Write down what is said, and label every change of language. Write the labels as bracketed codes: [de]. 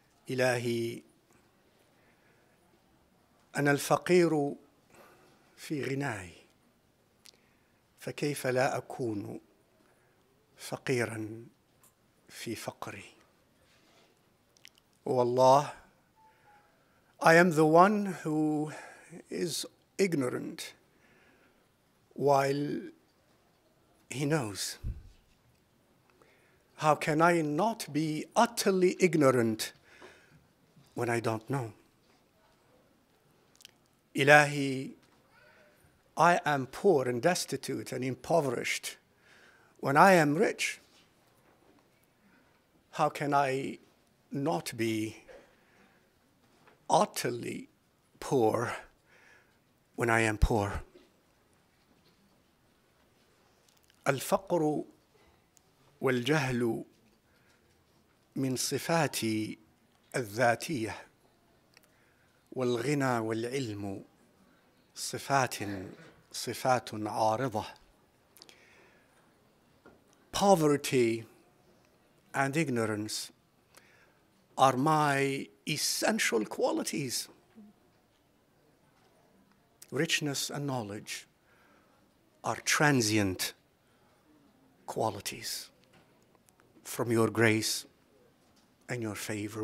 [ar] إلهي أنا الفقير في غناي فكيف لا أكون فقيرا في فقري. [en] والله I am the one who is ignorant while he knows. How can I not be utterly ignorant when I don't know? Ilahi, I am poor and destitute and impoverished when I am rich. How can I not be utterly poor when I am poor. [ar] الفقر والجهل من صفاتي الذاتية والغنى والعلم صفات عارضة. [en] Poverty and ignorance are my essential qualities. Richness and knowledge are transient qualities from your grace and your favor.